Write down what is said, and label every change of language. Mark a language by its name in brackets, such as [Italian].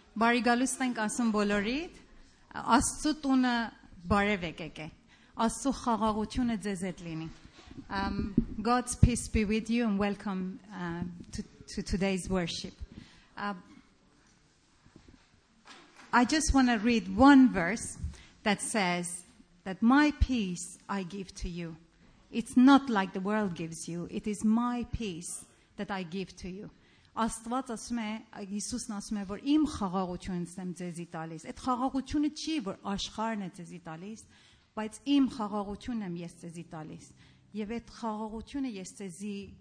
[Armenian] Բարի գալուստ ենք ասում բոլորիդ։ Աստծո տունը բարև եկեք։ Աստծո խաղաղությունը ձեզ հետ լինի։ [English] God's peace be with you and welcome to today's worship. I just want to read one verse that says that my peace I give to you. It's not like the world gives you. It is my peace that I give to you. [Armenian] Աստված ասում է, Հիսուսն ասում է, որ իմ խաղաղությունս եմ ձեզի տալիս։ Այդ խաղաղությունը չի, որ աշխարհն է ձեզի տալիս, բայց իմ խաղաղությունն եմ ես ձեզի տալիս։ Եվ այդ խաղաղությունը ես ձեզի